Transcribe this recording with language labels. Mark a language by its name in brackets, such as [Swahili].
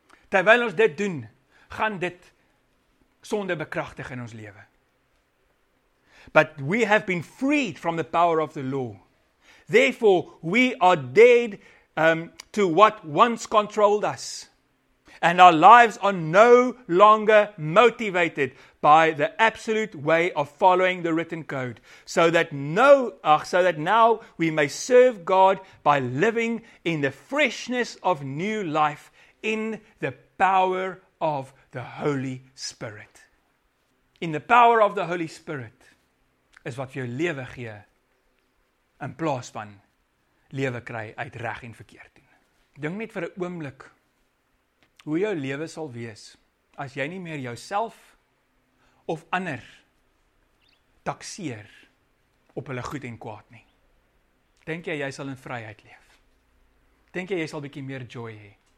[Afrikaans] Terwyl ons dit doen, gaan dit sonde bekragtig in ons lewe. [English] But we have been freed from the power of the law. Therefore, we are dead to what once controlled us. And our lives are no longer motivated by the absolute way of following the written code. So that now we may serve God by living in the freshness of new life in the power of the Holy Spirit. In the power of the Holy Spirit [Afrikaans] is wat jou lewe gee in plaas van lewe kry uit reg en verkeerd doen. Dink net vir 'n oomblik hoe jou lewe sal wees as jy nie meer jouself of ander takseer op hulle goed en kwaad nie. Dink jy sal in vryheid leef? Dink jy sal bietjie meer joy hê?